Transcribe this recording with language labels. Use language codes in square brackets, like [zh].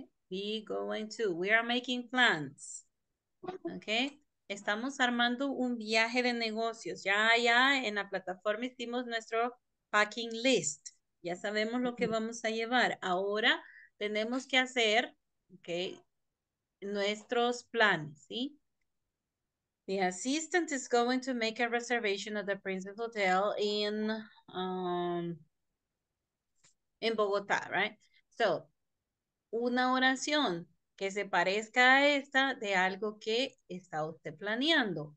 [en] Be going to. We are making plans. Okay? [es] Estamos armando un viaje de negocios. Ya en la plataforma hicimos nuestro packing list. Ya sabemos lo que vamos a llevar. Ahora tenemos que hacer, okay, nuestros planes, ¿sí? [en] The assistant is going to make a reservation at the Princess Hotel in Bogotá, right? [es] So, una oración que se parezca a esta de algo que está usted planeando.